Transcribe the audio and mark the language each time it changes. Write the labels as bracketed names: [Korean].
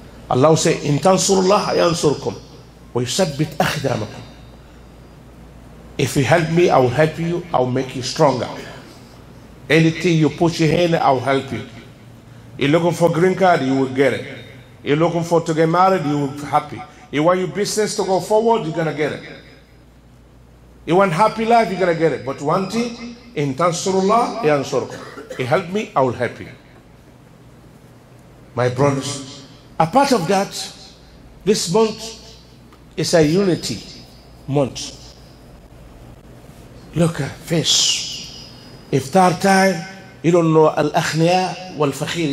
[English] Allah will say, [Arabic] إِن تَنْصُرُ اللَّهَ يَنْصُرُكُمْ وَيُسَبِّتْ أَخْدَامَكُمْ. [English] If you help me, I will help you. I will make you stronger. Anything you put your hand, I will help you. You're looking for a green card, you will get it. You're looking for to get married, you will be happy. You want your business to go forward, you're going to get it. You want happy life, you're going to get it. But one thing, [Arabic] إِن تَنْصُرُ اللَّهَ يَنْصُرُكُمْ. [English] You help me, I will help you. My brothers, apart of that, this month is a unity month. Look at fish. Iftar time, you don't know al-akhniya wal-fakhir.